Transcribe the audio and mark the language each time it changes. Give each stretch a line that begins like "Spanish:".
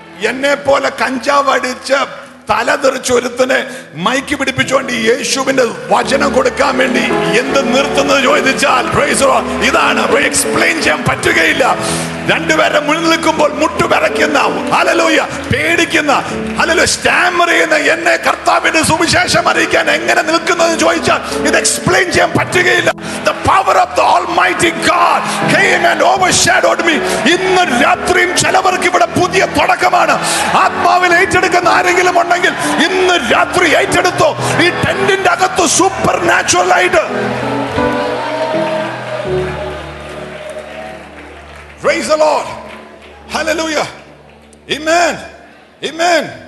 Malayalam: എന്നെ പോലെ കഞ്ചാവടിച്ച തല തെറിച്ചൊരുത്തിനെ മൈക്ക് പിടിപ്പിച്ചുകൊണ്ട് യേശുവിന്റെ വചനം കൊടുക്കാൻ വേണ്ടി എന്ത് നിർത്തുന്നത് ചോദിച്ചാൽ ഇതാണ്, എക്സ്പ്ലെയിൻ ചെയ്യാൻ പറ്റുകയില്ല. രണ്ടുപേരെ മുന്നിൽ നിൽക്കുമ്പോൾ മുട്ടുപിറയ്ക്കുന്ന, ഹല്ലേലൂയ, പേടിക്കുന്ന, ഹല്ലേലൂയ, സ്റ്റാമർ ചെയ്യുന്ന എന്നെ കർത്താവിന്റെ സുവിശേഷം അറിയിക്കാൻ എങ്ങനെ നിൽക്കുന്നതെന്ന് ചോദിച്ചാൽ ഇത് എക്സ്പ്ലെയിൻ ചെയ്യാൻ പറ്റുകയില്ല.
English: The power of the Almighty God came and overshadowed me.
Malayalam: ഇന്ന് രാത്രിയും ചിലവർക്ക് ഇവിടെ പുതിയ തുടക്കമാണ്. ആത്മാവിൽ ഏറ്റെടുക്കുന്ന ആരെങ്കിലും ഉണ്ടെങ്കിൽ ഇന്ന് രാത്രി ഏറ്റെടുത്തോ. ഈ ടെന്റിന്റെ അകത്ത് സൂപ്പർ നാച്ചുറൽ ആയിട്ട്.
English: Praise the Lord. Hallelujah. Amen. Amen.